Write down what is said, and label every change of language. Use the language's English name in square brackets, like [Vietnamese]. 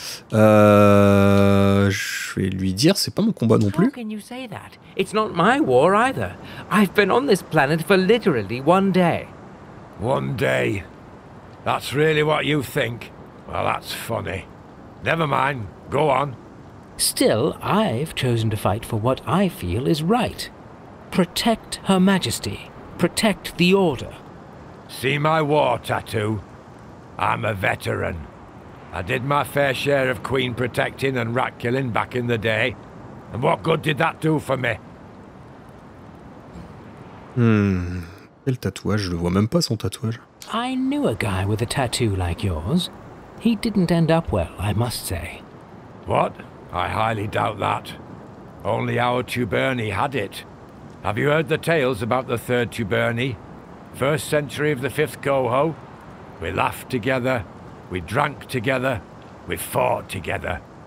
[French] Je vais lui dire, c'est pas mon combat non plus. [English] How can you say that? It's not my war either. I've been on this planet for literally one day. One day? That's really what you think? Well, that's funny. Never mind, go on. Still, I've chosen to fight for what I feel is right. Protect Her Majesty. Protect the Order. See my war tattoo? I'm a veteran. I did my fair share of queen protecting and rat killing back in the day. And what good did that do for me? [French] Quel tatouage, je le vois même pas son tatouage. [English] I knew a guy with a tattoo like yours. He didn't end up well, I must say. What? I highly doubt that. Only our Tuburni had it. Have you heard the tales about the third Tuburni? First century of the fifth Goho? We laughed together, we drank together, we fought together.